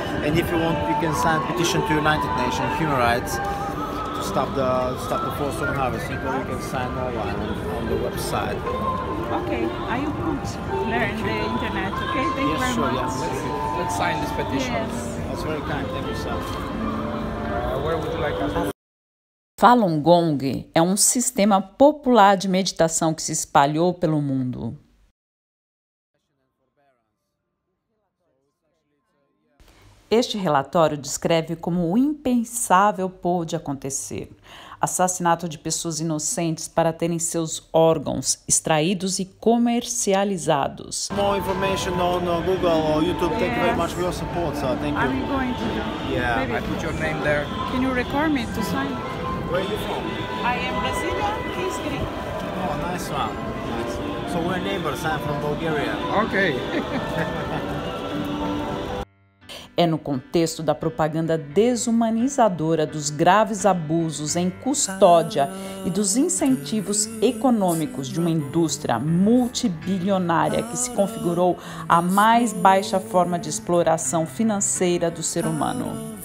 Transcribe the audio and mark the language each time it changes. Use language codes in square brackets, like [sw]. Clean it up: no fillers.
[en] And if you want, you can sign a petition to United Nations Human Rights to stop the forced organ harvesting, but you can sign online on the website. Okay, I will learn the internet, okay? Thank you very much. Yeah. Let's sign this petition. Yes. That's very kind, thank you, sir. Where would you like us to... [pt] Falun Gong é um sistema popular de meditação que se espalhou pelo mundo. Este relatório descreve como o impensável pôde acontecer. Assassinato de pessoas inocentes para terem seus órgãos extraídos e comercializados. [en] More information on Google or YouTube. Thank you very much for your support, sir. Thank you. I'm going to do. Yeah, maybe. I put your name there. Can you record me to sign? Where are you from? I am Brazilian. Oh, nice one. So we're neighbors. I'm from Bulgaria. Okay. [pt] É no contexto da propaganda desumanizadora dos graves abusos em custódia e dos incentivos econômicos de uma indústria multibilionária que se configurou a mais baixa forma de exploração financeira do ser humano.